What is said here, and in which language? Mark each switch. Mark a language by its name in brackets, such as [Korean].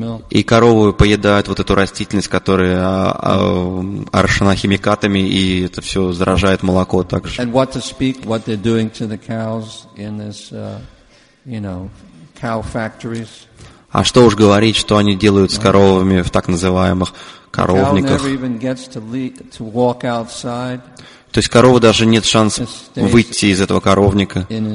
[Russian] И коровы поедают вот эту растительность, которая орошена химикатами, и это все заражает молоко также. [English] And what to speak, what they're doing to the cows in this, you know, cow factories. [Russian] А что уж говорить, что они делают с коровами в так называемых коровниках. То есть корова даже нет шанса выйти из этого коровника.